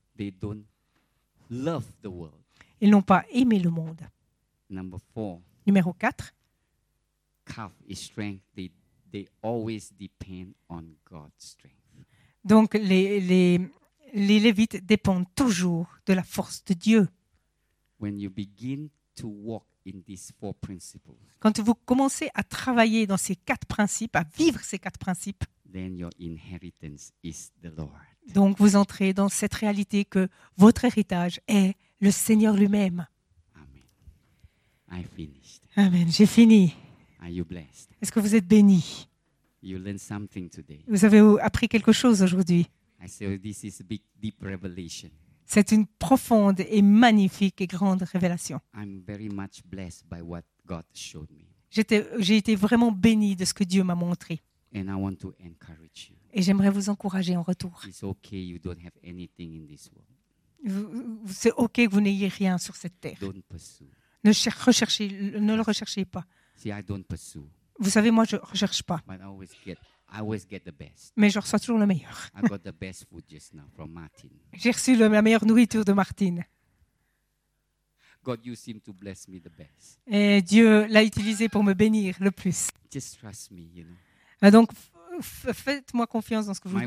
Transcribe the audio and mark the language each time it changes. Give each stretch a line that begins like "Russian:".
English: They don't love the world.
French: Ils n'ont pas aimé le monde.
English: Number four,
French: numéro 4.
English: Calf is strength. They always depend on God's strength.
French: Donc les Lévites dépendent toujours de la force de Dieu.
English: When you begin to walk in these four principles.
French: Quand vous commencez à travailler dans ces quatre principes, à vivre ces quatre principes,
English: then your inheritance is the Lord.
French: Donc vous entrez dans cette réalité que votre héritage est le Seigneur lui-même.
English: Amen. I finished.
French: Amen. J'ai fini.
English: Are you blessed?
French: Est-ce que vous êtes bénis?
English: You learned something today.
French: Vous avez appris quelque chose aujourd'hui.
English: I say, this is a big, deep revelation.
French: C'est une profonde et magnifique et grande révélation.
English: I'm very much blessed by what God showed me.
French: J'ai été vraiment béni de ce que Dieu m'a montré.
English: And I want to encourage you.
French: Et j'aimerais vous encourager en retour.
English: It's okay, you don't have anything in this world.
French: C'est ok que vous n'ayez rien sur cette terre.
English: Don't pursue.
French: Ne le recherchez pas.
English: See, I don't pursue.
French: Vous savez, moi, je ne recherche pas.
English: But I always get the best.
French: Mais je reçois toujours le meilleur.
English: I got the best food just now from Martin.
French: J'ai reçu la meilleure nourriture de Martin.
English: God, you seem to bless me the best.
French: Et Dieu l'a utilisé pour me bénir le plus.
English: Just trust me, you know.
French: Donc, faites-moi confiance dans ce que vous dites.